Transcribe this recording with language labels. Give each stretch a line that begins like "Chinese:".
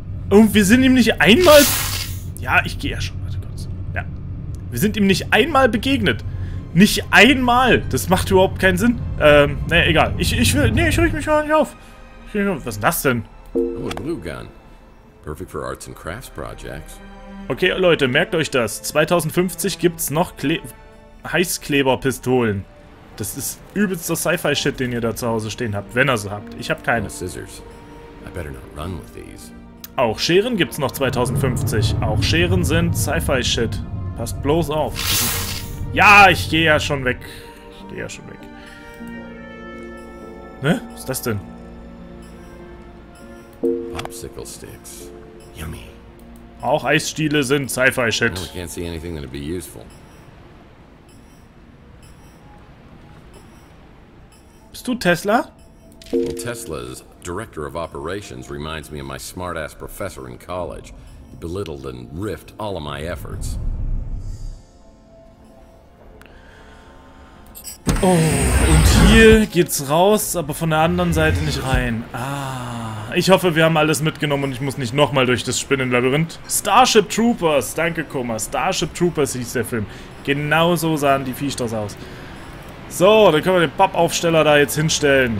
German: Und wir sind ihm nicht einmal... Ja, ich gehe ja schon. Warte kurz. Ja. Wir sind ihm nicht einmal begegnet. Nicht einmal. Das macht überhaupt keinen Sinn. Naja, egal. Ich rühre mich gar nicht auf. Was ist das denn? Oh, ein Blue Gun.
English: Perfect for Arts and Crafts Projects.
German: Okay, Leute, merkt euch das. 2050 gibt's noch Heißkleberpistolen. Das ist übelster Sci-Fi-Shit, den ihr da zu Hause stehen habt. Wenn ihr so habt. Ich habe keine.
English: Scissors. I better not run with these.
German: Auch Scheren gibt's noch 2050. Auch Scheren sind Sci-Fi-Shit. Passt bloß auf. Ja, ich gehe ja schon weg. Ne? Was ist das denn?
English: Popsicle Sticks. Yummy.
German: Auch Eisstiele sind Sci-Fi-Shit.
English: I can't see anything that'd be useful.
German: Bist du Tesla?
English: Well, Tesla's director of operations reminds me of my smart-ass professor in college. He belittled and riffed all of my efforts.
German: Oh, und hier geht's raus, aber von der anderen Seite nicht rein. Ah, ich hoffe, wir haben alles mitgenommen und ich muss nicht nochmal durch das Spinnenlabyrinth. Starship Troopers, danke, Koma. Starship Troopers hieß der Film. Genau so sahen die Viechstoss aus. So, dann können wir den Pappaufsteller da jetzt hinstellen.